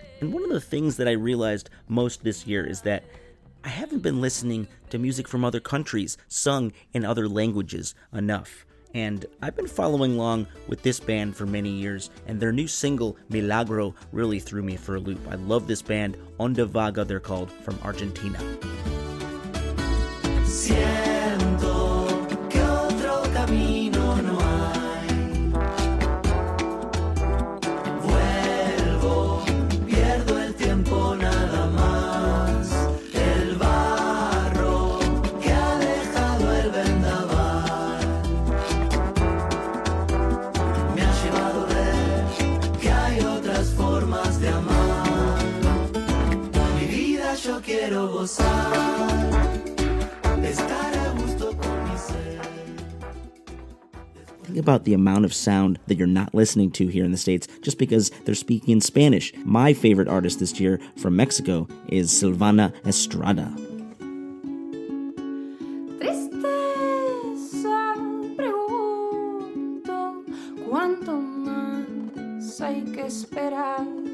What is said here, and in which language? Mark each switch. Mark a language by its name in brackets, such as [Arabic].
[English] And one of the things that I realized most this year is that I haven't been listening to music from other countries sung in other languages enough. And I've been following along with this band for many years, and their new single, Milagro, really threw me for a loop. I love this band, Onda Vaga, they're called, from Argentina. [Spanish] Siento que otro camino no hay. Vuelvo, pierdo el tiempo nada más. El barro que ha dejado el vendaval me ha llevado a ver que hay otras formas de amar. Mi vida yo quiero gozar. [English] Think about the amount of sound that you're not listening to here in the States just because they're speaking in Spanish. My favorite artist this year from Mexico is Silvana Estrada. [Spanish] Tristeza, pregunto, ¿cuánto más hay que esperar?